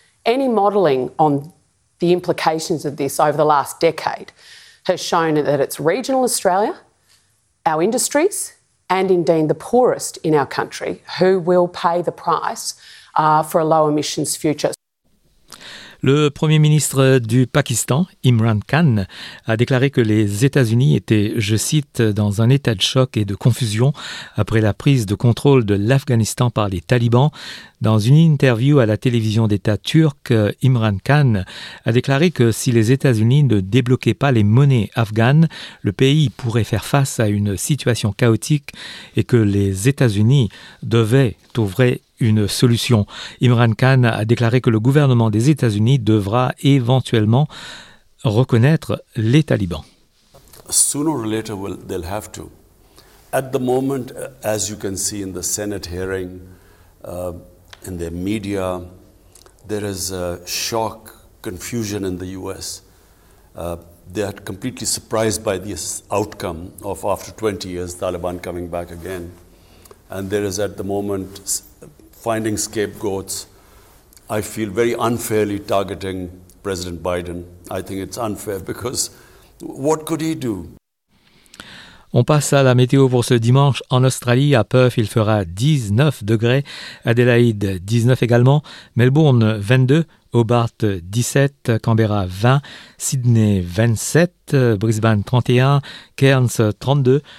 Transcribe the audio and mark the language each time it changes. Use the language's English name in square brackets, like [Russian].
[English] Any modelling on the implications of this over the last decade has shown that it's regional Australia, our industries, and indeed the poorest in our country who will pay the price for a low emissions future. [French] Le Premier ministre du Pakistan, Imran Khan, a déclaré que les États-Unis étaient, je cite, dans un état de choc et de confusion après la prise de contrôle de l'Afghanistan par les talibans. Dans une interview à la télévision d'État turque, Imran Khan a déclaré que si les États-Unis ne débloquaient pas les monnaies afghanes, le pays pourrait faire face à une situation chaotique et que les États-Unis devaient trouver une solution. Imran Khan a déclaré que le gouvernement des États-Unis devra éventuellement reconnaître les talibans. [English] Sooner or later, they'll have to. At the moment, as you can see in the Senate hearing, in the media, there is a shock, confusion in the US. They are completely surprised by this outcome of after 20 years, Taliban coming back again. And there is at the moment finding scapegoats. I feel very unfairly targeting President Biden. I think it's unfair because what could he do? [French] On passe à la météo pour ce dimanche. En Australie, à Perth, il fera 19 degrés. Adélaïde, 19 également. Melbourne, 22. Hobart, 17. Canberra, 20. Sydney, 27. Brisbane, 31. Cairns, 32.